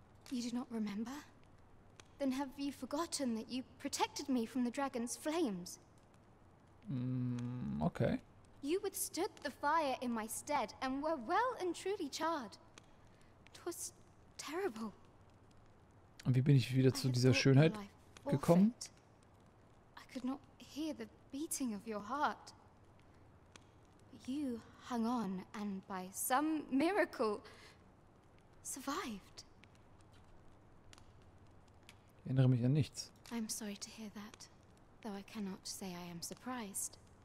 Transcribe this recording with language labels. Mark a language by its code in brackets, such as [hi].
[en] You do not remember? Then have you forgotten that you protected me from the dragon's flames? Okay. You withstood the fire in my stead and were well and truly charred. T'was terrible. [de] Und wie bin ich wieder zu dieser Schönheit gekommen? [en] I could not hear the beating of your heart. You hung on and by some miracle survived. [de] Ich erinnere mich an nichts. [en] I'm sorry to hear that, though I cannot say I am surprised.